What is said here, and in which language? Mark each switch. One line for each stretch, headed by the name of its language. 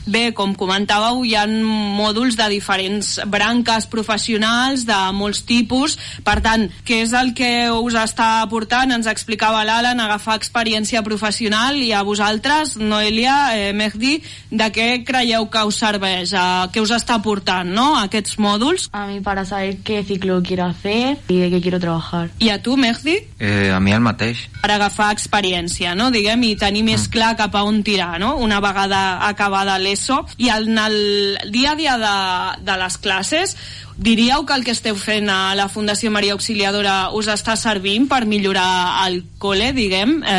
Catalan: Bé, com comentàveu, hi ha mòduls de diferents branques professionals, de molts tipus. Per tant, què és el que us està aportant? Ens explicava l'Alan, agafar experiència professional. I a vosaltres, Noelia, Mehdi, de què creieu que us serveix? Què us està aportant, no?, aquests mòduls?
Spanish: A mi, para saber qué ciclo quiero hacer y de qué quiero trabajar.
Catalan: I a tu, Mehdi? A mi el mateix. Per agafar experiència, no?, diguem. I tenir més clar cap a on tirar, no? Una vegada acabada l'ESO. I en el dia a dia de les classes, diríeu que el que esteu fent a la Fundació Maria Auxiliadora us està servint per millorar el col·le, diguem?